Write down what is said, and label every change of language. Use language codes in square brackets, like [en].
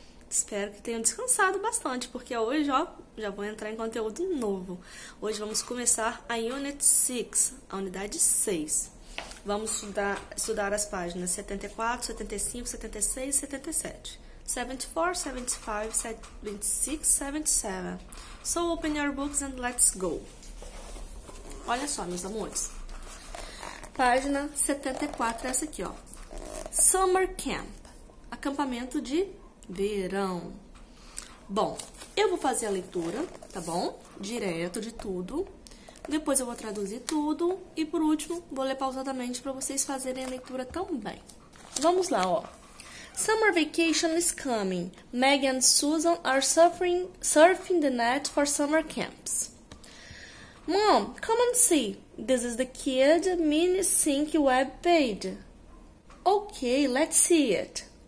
[pt] Espero que tenham descansado bastante, porque hoje, ó, já vou entrar em conteúdo novo. Hoje vamos começar a Unit 6, a unidade 6. Vamos estudar as páginas 74, 75, 76 e 77. 74, 75, 76, 77. [en] So open your books and let's go. [pt] Olha só, meus amores. Página 74 é essa aqui, ó. Summer Camp. Acampamento de verão. Bom, eu vou fazer a leitura, tá bom? Direto de tudo. Depois eu vou traduzir tudo. E por último, vou ler pausadamente para vocês fazerem a leitura também. Vamos lá, ó. [en] Summer vacation is coming. Meg and Susan are surfing the net for summer camps. Mom, come and see. This is the kid mini sink web page. Okay, let's see it.